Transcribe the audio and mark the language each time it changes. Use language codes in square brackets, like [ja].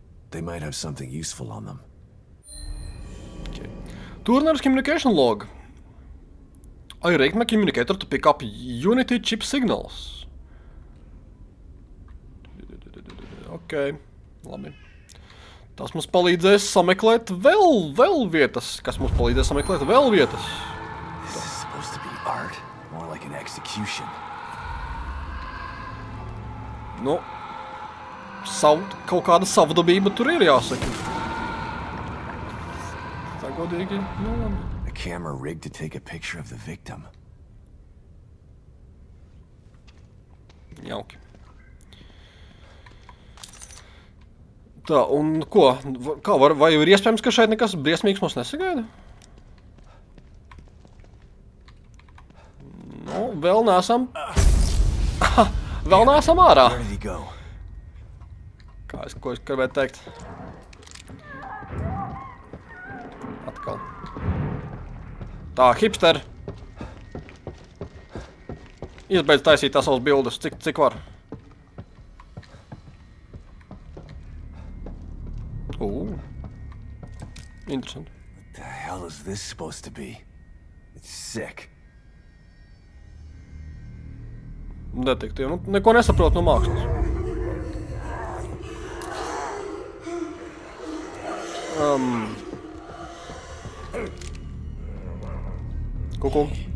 [en] They might have something useful on them. Okay. Turner's communication log. I rigged my communicator to pick up Unity chip signals. Okay. Labi. [lv] Tas mums palīdzēs sameklēt vēl vietas. Kas mums palīdzēs sameklēt vēl vietas? [en] This is supposed to be art, more like an execution. [lv] Nu, kaut kāda savdabība tur ir, jāsaka. Tā godīgi, nu labi. [en] A camera rigged to take a picture of the victim. [lv] Jauki. Tā, un ko? Kā var, vai ir iespējams, ka šeit nekas briesmīgs mums nesagaida? Nu, vēl neesam... vēl neesam ārā! Kā es, ko es gribētu teikt? Atkal. Tā, hipster! Izbeidz taisīt tās savas bildes, cik var. Ooh. Interesant. [en] What the hell is this supposed to be? It's sick. [lv] Detektīvi, nu neko nesaprot no mākslas. Kuku.